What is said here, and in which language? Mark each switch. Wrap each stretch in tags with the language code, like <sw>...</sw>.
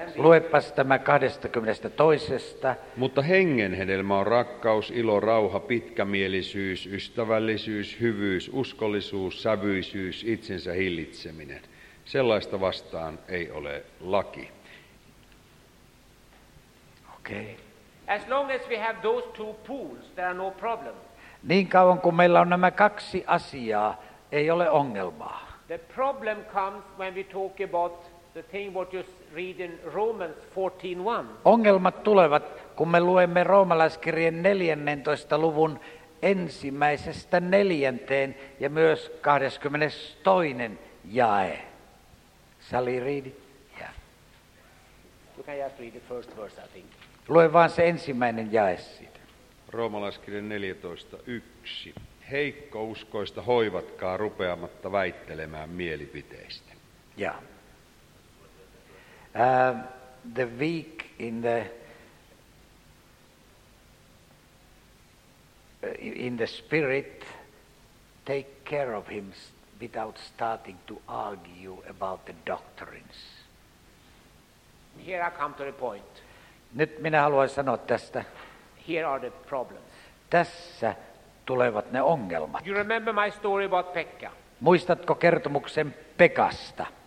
<fi>luepas tämä 22. Mutta hengen hedelmä on rakkaus, ilo, rauha, pitkämielisyys, ystävällisyys, hyvyys, uskollisuus, sävyisyys, itsensä hillitseminen. Sellaista vastaan ei ole laki.</fi> <en>Okay. As long as we have those two pools, there are no problem.</en> <fi>Niin kauan kuin meillä on nämä kaksi asiaa, ei ole ongelmaa.</fi> <en>The problem comes when we talk about the thing what you read in Romans 14:1.</en> <fi>Ongelmat tulevat, kun me luemme roomalaiskirjeen 14. luvun ensimmäisestä neljänteen ja myös 22. jae.</fi> <en>Sally, read it. Yeah. You can just read the first verse, I think.</en> <fi>Lue vaan se ensimmäinen jae siitä. Roomalaiskirje 14:1. Heikkouskoista hoivatkaa rupeamatta väittelemään mielipiteistä.</fi> <en>Yeah. The weak in the spirit, take care of him without starting to argue about the doctrines. Here I come to the point.</en> <fi>Nyt minä haluan sanoa tästä.</fi> <en>Here are the problems.</en> <fi>Tässä tulevat ne ongelmat.</fi> <en>You remember my story about Pekka?</en> <fi>Muistatko kertomuksen Pekasta?</fi>